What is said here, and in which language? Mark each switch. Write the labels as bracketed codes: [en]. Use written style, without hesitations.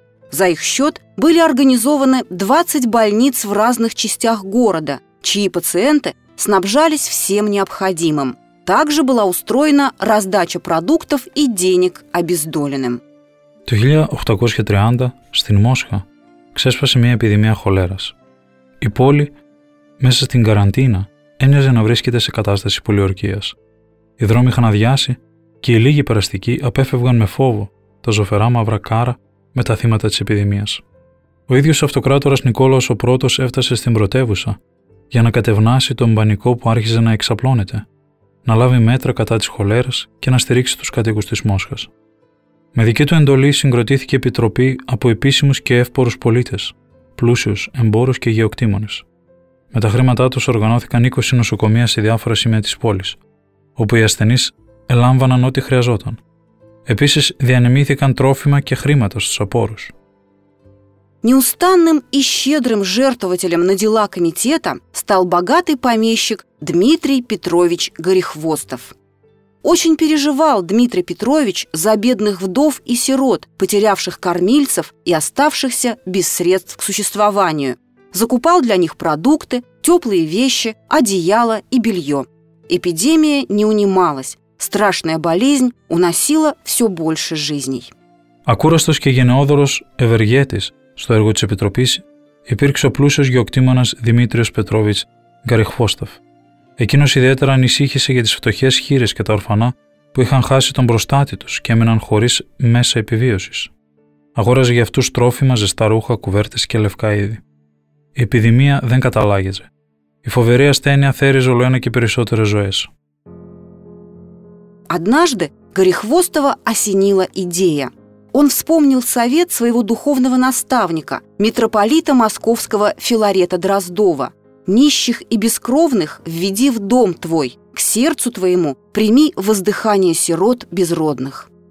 [ru] За их счет были организованы 20 больниц в разных частях города, чьи пациенты снабжались всем необходимым. Также была устроена раздача продуктов и денег обездоленным. В 1830 году в Москве [el] ξέσπασε [ru] эпидемия холеры. И город [el] μέσα στην καραντίνα έμοιαζε να βρίσκεται σε κατάσταση πολιορκίας. Οι δρόμοι είχαν αδειάσει και οι λίγοι περαστικοί απέφευγαν με φόβο τα ζωφερά μαύρα κάρα με τα θύματα της επιδημίας. Ο ίδιος ο αυτοκράτορας Νικόλαος ο Πρώτος έφτασε στην πρωτεύουσα για να κατευνάσει τον πανικό που άρχιζε να εξαπλώνεται, να λάβει μέτρα κατά της χολέρας και να στηρίξει τους κατοίκους της Μόσχας. Με δική του εντολή συγκροτήθηκε επιτροπή από επίσημους και εύπορους πολίτες, πλούσιους, εμπόρους και γεωκτήμονες. Με τα χρήματά τους οργανώθηκαν 20 νοσοκομεία σε διάφορα σημεία της πόλης, όπου οι ασθενείς ελάμβαναν ό,τι χρειαζόταν. Επίσης, διανεμήθηκαν τρόφιμα και χρήματα στους απόρους. [ru] Неустанным и щедрым жертвователем на дела комитета стал богатый помещик Дмитрий Петрович Горехвостов. Очень переживал Дмитрий Петрович за бедных вдов и сирот, потерявших кормильцев и оставшихся без средств к существованию. Закупал для них продукты, теплые вещи, одеяло и белье. Эпидемия не унималась. Страшная болезнь уносила все больше жизней. [el] Ακούραστος και γενναιόδωρος ευεργέτης στο έργο της Επιτροπής υπήρξε ο πλούσιος γεωκτήμονας Δημήτριος Πετρόβιτς Γκαριχβόστοφ. Εκείνος ιδιαίτερα ανησύχησε για τις φτωχές χείρες και τα ορφανά που είχαν χάσει τον προστάτη τους και έμειναν χωρίς μέσα επιβίωσης. Αγόραζε για αυτούς τρόφιμα, ζεστά ρούχα, κουβέρτες και λευκά είδη. Η επιδημία δεν καταλάγιζε. Η φοβερή ασθένεια θέριζε όλο ένα και περισσότερες ζωές. [ru] Однажды Горехвостова осенила идея. Он вспомнил совет своего духовного наставника, митрополита московского Филарета Дроздова. «Нищих и бескровных введи в дом твой, к сердцу твоему прими воздыхание сирот безродных».